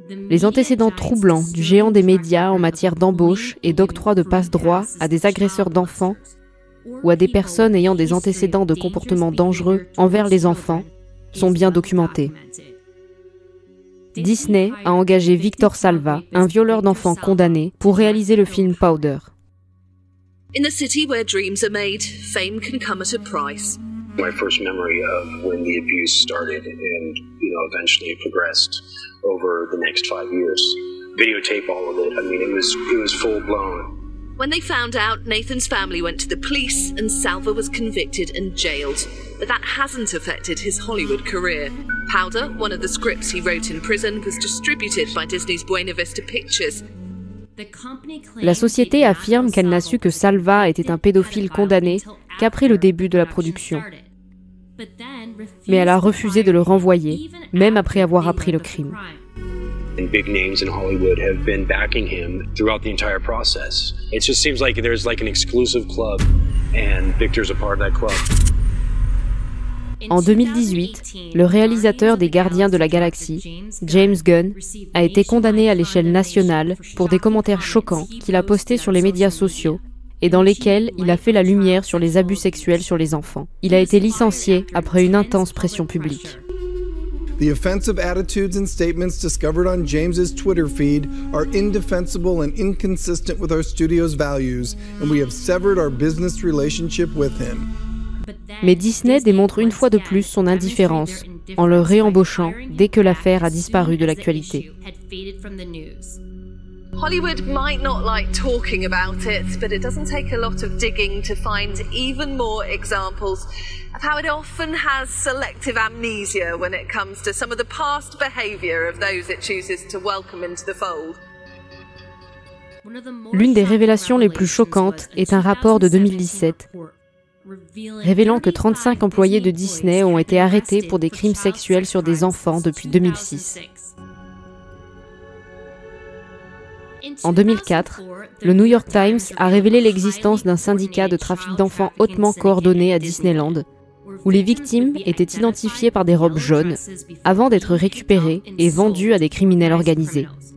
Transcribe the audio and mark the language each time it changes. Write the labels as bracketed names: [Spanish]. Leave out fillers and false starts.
[French] Les antécédents troublants du géant des médias en matière d'embauche et d'octroi de passe-droit à des agresseurs d'enfants ou à des personnes ayant des antécédents de comportements dangereux envers les enfants sont bien documentés. Disney a engagé Victor Salva, un violeur d'enfants condamné, pour réaliser le film Powder. [English] In a city where dreams are made, fame can come at a price. My first memory of when the abuse started and, you know, eventually progressed over the next 5 years. Videotape all of it. I mean, it was full blown. When they found out, Nathan's family went to the police and Salva was convicted and jailed. But that hasn't affected his Hollywood career. Powder, one of the scripts he wrote in prison, was distributed by Disney's Buena Vista Pictures. [French] La société affirme qu'elle n'a su que Salva était un pédophile condamné qu'après le début de la production. Mais elle a refusé de le renvoyer, même après avoir appris le crime. [English] And big names in Hollywood have been backing him throughout the entire process. It just seems like there's like an exclusive club and Victor's a part of that club. [French] En 2018, le réalisateur des Gardiens de la Galaxie, James Gunn, a été condamné à l'échelle nationale pour des commentaires choquants qu'il a postés sur les médias sociaux et dans lesquels il a fait la lumière sur les abus sexuels sur les enfants. Il a été licencié après une intense pression publique. [English] The offensive attitudes and statements discovered on James's Twitter feed are indefensible and inconsistent with our studio's values, and we have severed our business relationship with him. [French] Mais Disney démontre une fois de plus son indifférence en le réembauchant dès que l'affaire a disparu de l'actualité. [English] Hollywood might not like talking about it, but it doesn't take a lot of digging to find even more examples of how it often has selective amnesia when it comes to some of the past behavior of those it chooses to welcome into the fold. [French] L'une des révélations les plus choquantes est un rapport de 2017. Révélant que 35 employés de Disney ont été arrêtés pour des crimes sexuels sur des enfants depuis 2006. En 2004, le New York Times a révélé l'existence d'un syndicat de trafic d'enfants hautement coordonné à Disneyland, où les victimes étaient identifiées par des robes jaunes, avant d'être récupérées et vendues à des criminels organisés.